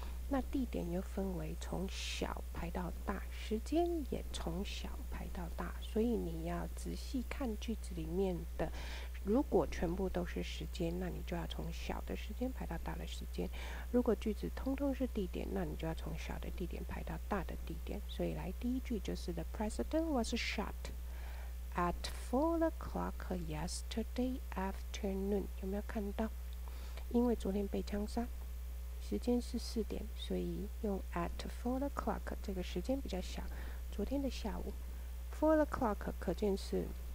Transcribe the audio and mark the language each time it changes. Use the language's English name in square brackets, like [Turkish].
[Chinese] 那地点又分为从小排到大，时间也从小排到大，所以你要仔细看句子里面的，如果全部都是时间，那你就要从小的时间排到大的时间，如果句子通通是地点，那你就要从小的地点排到大的地点。所以来第一句就是 [English] The president was shot at 4 o'clock yesterday afternoon， [Chinese] 有没有看到？因为昨天被枪杀，时间是4点，所以用 [English] at 4 o'clock [Chinese] 这个时间比较小，昨天的下午 4 o'clock 可见是